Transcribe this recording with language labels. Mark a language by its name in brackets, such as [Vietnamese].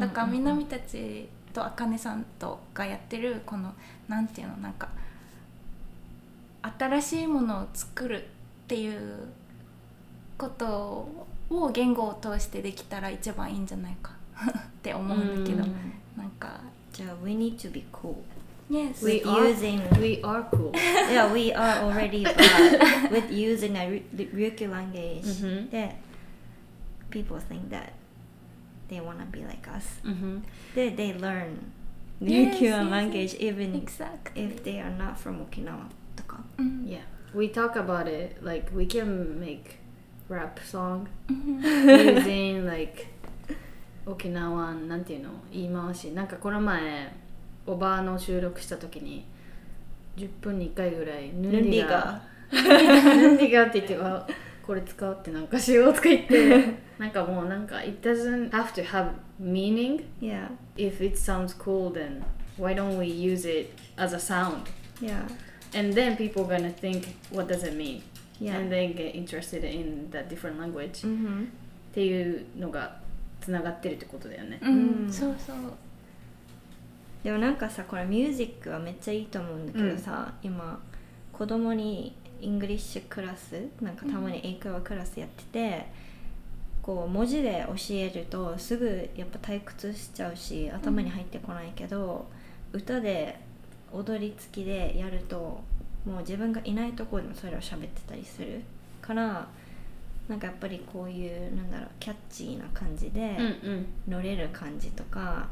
[Japanese] だからみなみたちとあかねさんとがやってるこのなんていうのなんか。新しいものを作るっていうことを言語を通してできたら一番いいんじゃないかって思うんだけど、mm. なんか [English] じゃあ we need to be cool。 Yes, with using we are cool. Yeah, we are already with using a Ryukyu language. Mm-hmm. That people think that they wanna be like us. Mm-hmm. That they learn Ryukyu language even exactly. if they are not from Okinawa. Mm-hmm. Yeah, we talk about it. Like we can make rap song using like Okinawan. [Japanese] なんていうの言い回し。なんかこの前。おばあの収録したときに10分に1回ぐらい [Central Okinawan] ヌンディガ [Japanese] ヌンディガって言ってこれ使うってなんかしようとか言ってなんかもうなんか [English] It doesn't have to have meaning Yeah If it sounds cool then why don't we use it as a sound Yeah And then people are gonna think what does it mean Yeah And then get interested in that different language、 mm-hmm. [Japanese] っていうのがつながってるってことだよね、 mm-hmm. Mm-hmm. そうそうでもなんかさ、これミュージックはめっちゃいいと思うんだけどさ、うん、今子供にイングリッシュクラス、なんかたまに英会話クラスやってて、うん、こう文字で教えるとすぐやっぱ退屈しちゃうし、頭に入ってこないけど、うん、歌で踊り付きでやると、もう自分がいないところでもそれを喋ってたりするから、なんかやっぱりこういう、なんだろう、キャッチーな感じで乗れる感じとか、